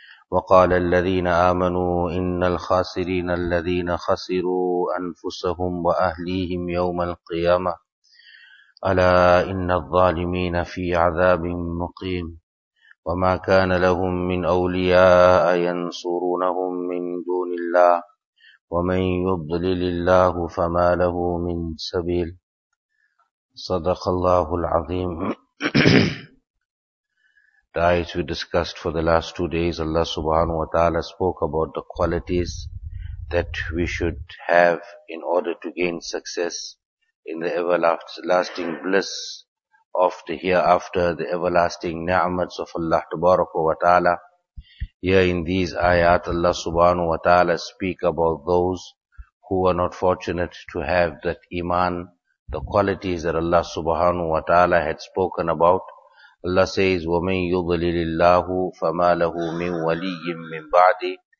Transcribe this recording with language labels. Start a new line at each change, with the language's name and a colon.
Arabic: وقال الذين آمنوا إن الخاسرين الذين خسروا أنفسهم وأهليهم يوم القيامة ألا إن الظالمين في عذاب مقيم. وما كان لهم من أولياء ينصرونهم من دون الله ومن يضلل الله فما له من سبيل. صدق الله العظيم.
English: As we discussed for the last 2 days, Allah subhanahu wa ta'ala spoke about the qualities that we should have in order to gain success in the everlasting bliss of the hereafter, the everlasting ni'mats of Allah tabaraka wa ta'ala. Here in these ayat, Allah subhanahu wa ta'ala speak about those who are not fortunate to have that iman, the qualities that Allah subhanahu wa ta'ala had spoken about. Allah says,
Arabic: وَمَنْ يُضْلِلِ اللَّهُ فَمَا لَهُ مِنْ وَلِيٍّ مِنْ بَعْدِ.